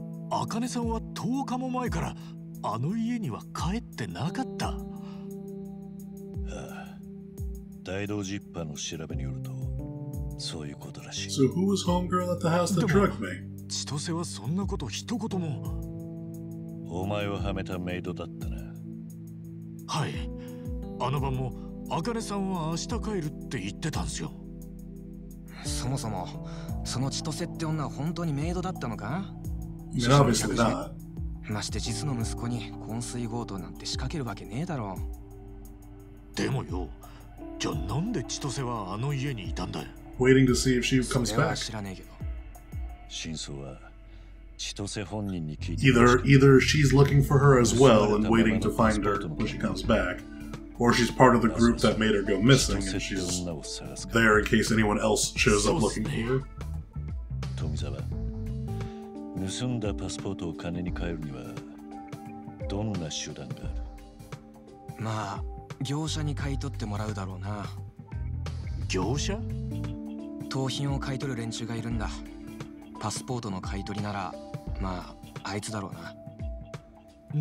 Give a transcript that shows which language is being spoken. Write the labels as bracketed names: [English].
[Japanese] 茜さんは10日も前からあの家には帰ってなかった。ああ、大道ジッパーの調べによるとそういうことらしい。 [English] So who was homegirl at the house that drugged me? [Japanese] 千歳はそんなこと一言も。お前をはめたメイドだったな。はい、あの晩も茜さんは明日帰るって言ってたんすよ。そもそもその千歳って女は本当にメイドだったのか。 [English] I mean, obviously not. [Japanese] まして実の息子に昏睡強盗なんて仕掛けるわけねえだろう。でもよ、じゃあなんで千歳はあの家にいたんだ。 [English] Waiting to see if she comes back. [Japanese] それは知らねえけど。真相は千歳本人に聞いて。 [English] Either she's looking for her as well and waiting to find her when she comes back, or she's part of the group that made her go missing and she's there in case anyone else shows up looking for her. [Japanese] 富澤。盗んだパスポートを金に換えるにはどんな手段がある？まあ業者に買い取ってもらうだろうな。業者？盗品を買い取る連中がいるんだ。パスポートの買い取りならまああいつだろうな。